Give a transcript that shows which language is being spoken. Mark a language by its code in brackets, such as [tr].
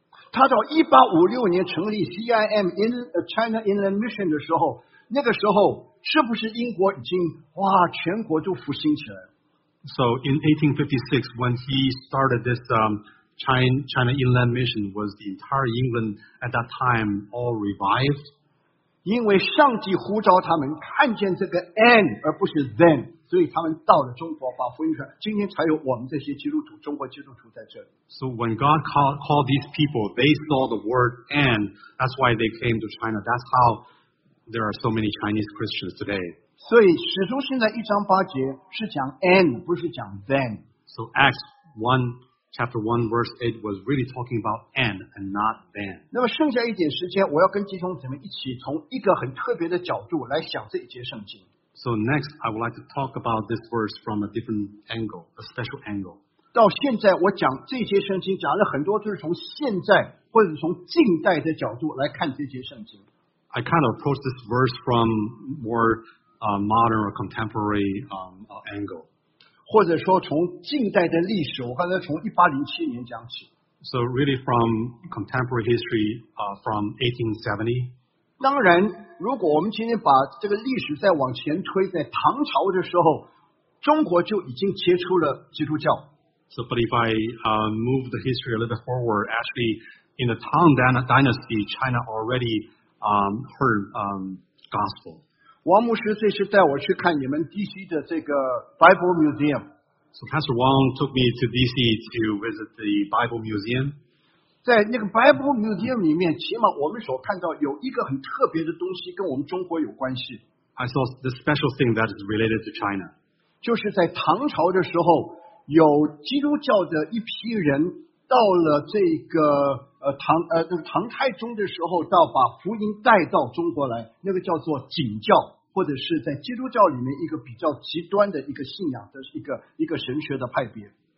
[zh] 他到1856年成立 CIM in China Inland Mission 的时候，那个时候是不是英国已经哇全国就复兴起来了？ [en] So in 1856, when he started this China Inland Mission, was the entire England at that time all revived? [zh] 因为上帝呼召他们看见这个 N 而不是 then。所以他们到了中国把福音传，今天才有我们这些基督徒，中国基督徒在这里。 [en] So when God called these people, they saw the word "and." That's why they came to China. That's how there are so many Chinese Christians today. [zh] 所以使徒行传一章八节是讲 "and," 不是讲 "then." [en] So Acts 1 chapter 1 verse 8 was really talking about "and" and not "then." [zh] 那么剩下一点时间，我要跟弟兄姊妹一起从一个很特别的角度来想这一节圣经。 [en] So next, I would like to talk about this verse from a different angle, a special angle. [zh] 到现在我讲这些圣经讲了很多就是从现在或者从近代的角度来看这些圣经。 [en] I kind of approach this verse from more modern or contemporary angle. [zh] 或者说从近代的历史，我刚才从1807年讲起。 [en] So really from contemporary history, from 1870. [zh] 当然如果我们今天把这个历史再往前推，在唐朝的时候，中国就已经接触了基督教。 [en] So, but if I move the history a little forward, actually, in the Tang Dynasty, China already heard gospel. [zh] 王牧师这次带我去看你们 DC 的这个 Bible Museum. [en] So Pastor Wang took me to DC to visit the Bible Museum. [zh] 在那个 Bible Museum 里面，起码我们所看到有一个很特别的东西跟我们中国有关系。 [en] I saw the special thing that is related to China. [zh] 就是在唐朝的时候，有基督教的一批人到了这个唐太宗的时候，到把福音带到中国来，那个叫做景教，或者是在基督教里面一个比较极端的一个信仰的一个神学的派别。